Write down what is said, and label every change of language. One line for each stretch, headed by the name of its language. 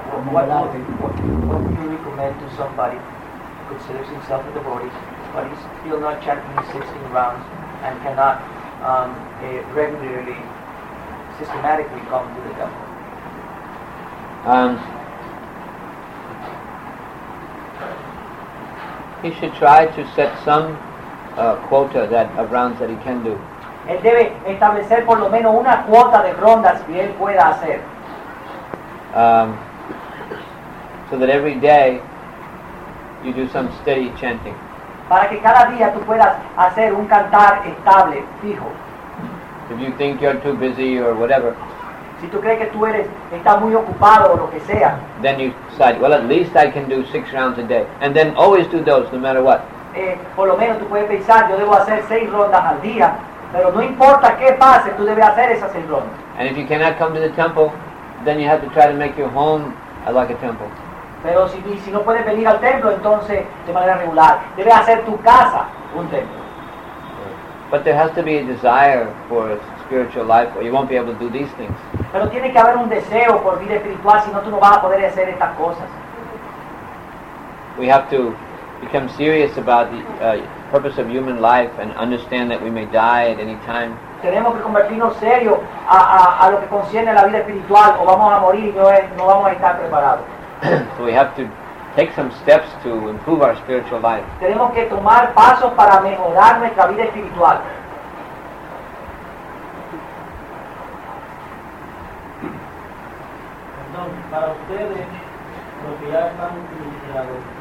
English: What do you recommend to somebody who considers himself a devotee but he's still not chanting 16 rounds and cannot regularly, systematically come to the temple? He should try to set some quota that of rounds that he can do.
Spanish: Él debe establecer por lo menos una cuota de rondas que él pueda hacer.
English: So that every day you do some steady chanting.
Spanish: Para que cada día tú puedas hacer un cantar estable, fijo.
English: If you think you're too busy or whatever.
Spanish: Si tú crees que tú eres está muy ocupado o lo que sea.
English: Then you decide, well, at least I can do 6 rounds a day, and then always do those, no matter what.
Spanish: Por lo menos tú puedes pensar, yo debo hacer 6 rondas al día. Pero no importa qué pase, tú debes hacer esas 6 rondas.
English: And if you cannot come to the temple, then you have to try to make your home like a temple.
Spanish: Pero si no puedes venir al templo, entonces de manera regular debes hacer tu casa un templo.
English: But there has to be a desire for spiritual life, or you won't be able to do these things.
Spanish: Pero tiene que haber un deseo por vida espiritual, si no tú no vas a poder hacer estas cosas.
English: We have to become serious about the purpose of human life and understand that we may die at any time.
Spanish: Tenemos que convertirnos serio a lo que concierne la vida espiritual o vamos a morir y no vamos a estar preparados.
English: So we have to take some steps to improve our spiritual life.
Spanish: Tenemos que tomar pasos para mejorar nuestra vida espiritual. Perdón, para ustedes lo que ya están utilizando.